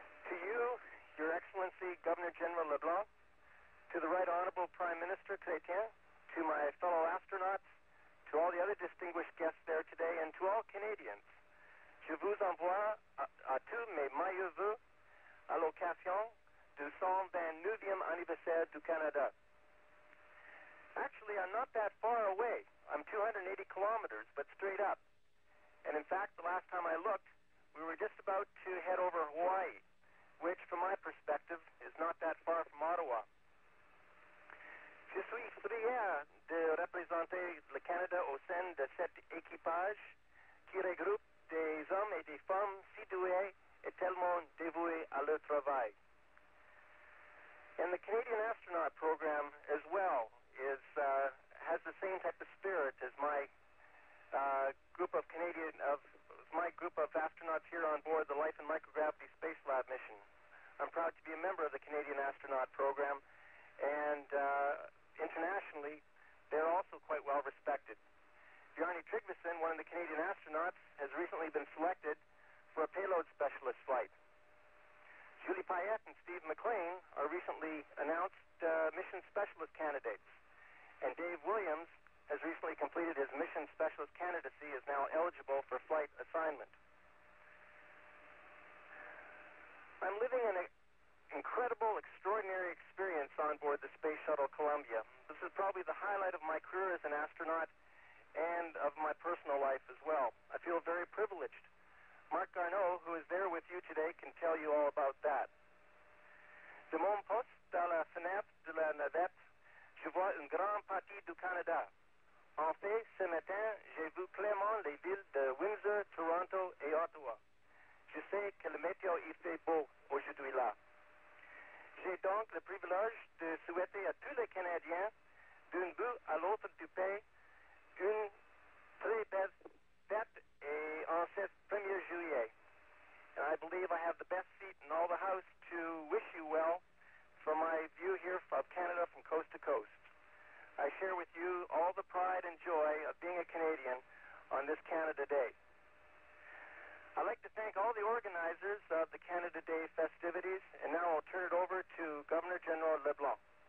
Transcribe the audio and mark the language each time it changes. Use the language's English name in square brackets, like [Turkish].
[English] To you, Your Excellency Governor General LeBlanc, to the Right Honorable Prime Minister Chretien, to my fellow astronauts, to all the other distinguished guests there today, and to all Canadians, [French] je vous envoie à tous mes meilleurs voeux à l'occasion du 129e anniversaire du Canada. [English] Actually, I'm not that far away. I'm 280 kilometers, but straight up. And in fact, the last time I looked, we were just about to head over Hawaii, which, from my perspective, is not that far from Ottawa. [French] Je suis fier de représenter le Canada au sein de cet équipage qui regroupe des hommes et des femmes si doués et tellement dévoués à leur travail. [English] And the Canadian astronaut program, as well, has the same type of spirit as my group of astronauts here on board the Life and Microgravity Space Lab mission. I'm proud to be a member of the Canadian astronaut program, and internationally, they're also quite well respected. Bjarni Tryggvason, one of the Canadian astronauts, has recently been selected for a payload specialist flight. Julie Payette and Steve McLean are recently announced mission specialist candidates. And Dave Williams has recently completed his mission specialist candidacy, is now eligible for flight assignment. I'm living an incredible, extraordinary experience on board the Space Shuttle Columbia. This is probably the highlight of my career as an astronaut and of my personal life as well. I feel very privileged. Mark Garneau, who is there with you today, can tell you all about that. [French] De mon poste, dans la fenêtre de la navette, je vois une grande partie du Canada. En fait, ce matin, j'ai vu clairement les villes de Windsor, Toronto et Ottawa. Je sais que le météo y fait beau aujourd'hui là. J'ai donc le privilège de souhaiter à tous les Canadiens, d'un bout à l'autre du pays, une très belle fête et en ce 1er juillet. [English] And I believe I have the best seat in all the house to wish you well from my view here of Canada from coast to coast. I share with you all the pride and joy of being a Canadian on this Canada Day. I'd like to thank all the organizers of the Canada Day festivities, and now I'll turn it over to Governor General LeBlanc.